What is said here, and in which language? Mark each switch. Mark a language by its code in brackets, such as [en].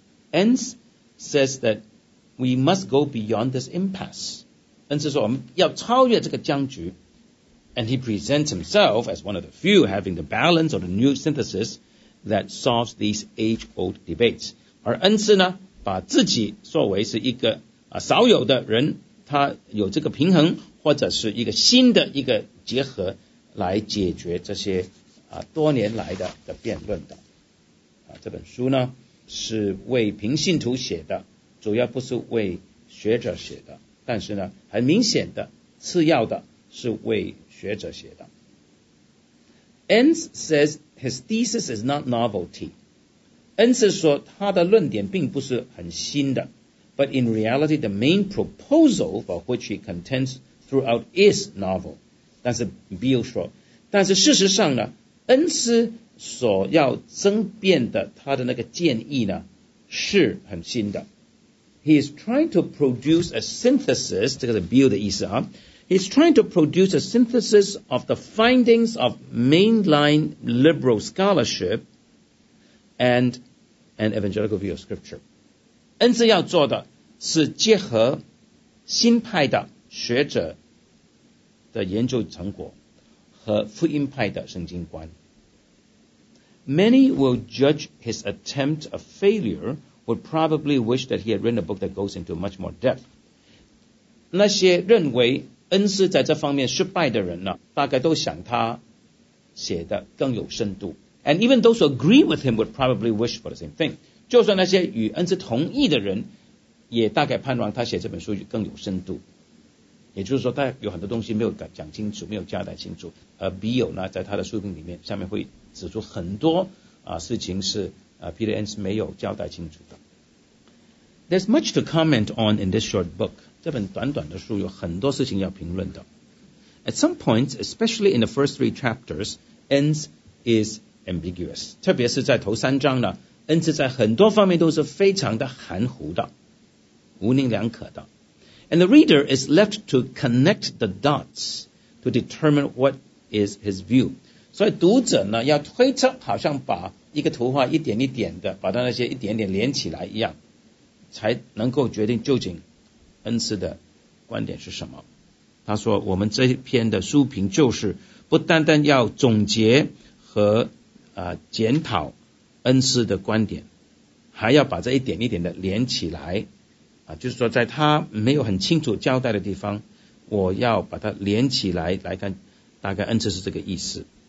[en] Enns says that we must go beyond this impasse. [zh] 恩赐说我们要超越这个僵局。 [en] And he presents himself as one of the few having the balance or the new synthesis that solves these age-old debates. [zh] 而恩赐呢，把自己作为是一个少有的人，他有这个平衡或者是一个新的一个结合。来解决这些多年来的辩论的这本书呢是为平信徒写的，主要不是为学者写的，但是呢很明显的次要的是为学者写的。 [en] Enns says his thesis is not novelty. Enns [zh] 说他的论点并不是很新的， [en] but in reality the main proposal for which he contends throughout is novel. [zh] 但是 Bill 说，但是事实上呢，恩斯所要争辩的他的那个建议呢，是很新的。 [en] He is trying to produce a synthesis， [zh] 这个是 Bill 的意思啊。 [en] He's trying to produce a synthesis of the findings of mainline liberal scholarship and an evangelical view of scripture。 [zh] 恩斯要做的是结合新派的学者。的研究成果和福音派的圣经观。 [en] Many will judge his attempt a failure, would probably wish that he had written a book that goes into much more depth. [zh] 那些认为恩斯在这方面失败的人呢，大概都想他写的更有深度。 [en] And even those who agree with him would probably wish for the same thing. [zh] 就算那些与恩斯同意的人，也大概盼望他写这本书更有深度。也就是说，他有很多东西没有讲清楚，没有交代清楚。而 Bill 呢，在他的书评里面，下面会指出很多事情是Peter Enns 没有交代清楚的。 [en] There's much to comment on in this short book. [zh] 这本短短的书有很多事情要评论的。 [en] At some points, especially in the first three chapters, Enns is ambiguous. [zh] 特别是在头三章呢，恩斯在很多方面都是非常的含糊的，模棱两可的。 [en] And the reader is left to connect the dots to determine what is his view. [zh] 所以读者呢要推测，好像把一个图画一点一点的把它那些一点点连起来一样，才能够决定究竟恩斯的观点是什么。他说我们这篇的书评就是不单单要总结和检讨恩师的观点，还要把这一点一点的连起来啊，就是说在他没有很清楚交代的地方，我要把它连起来来看，大概恩师是这个意思。